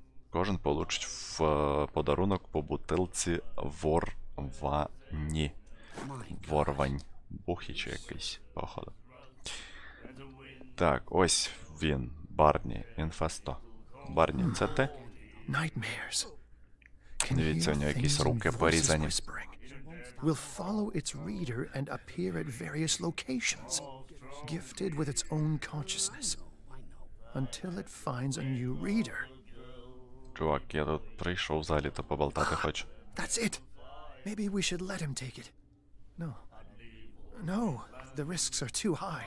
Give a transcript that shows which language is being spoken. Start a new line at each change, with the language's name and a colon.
Ukrainian: Кожен получить в подарунок по бутилці ворвані. Ворвань. Бухіч якийсь, походу. Так, ось він, Барні, Інфесто. Барні, це те?
English: Nightmares.
Ukrainian: Дивіться, у нього якісь руки порізані.
English: Will follow its reader and appear at various locations, gifted with its own consciousness, until it finds a new reader.
Ukrainian: Чувак, я тут прийшов взагалі-то поболтати хочу.
English: That's it. Maybe we should let him take it. No. No, the risks are too high.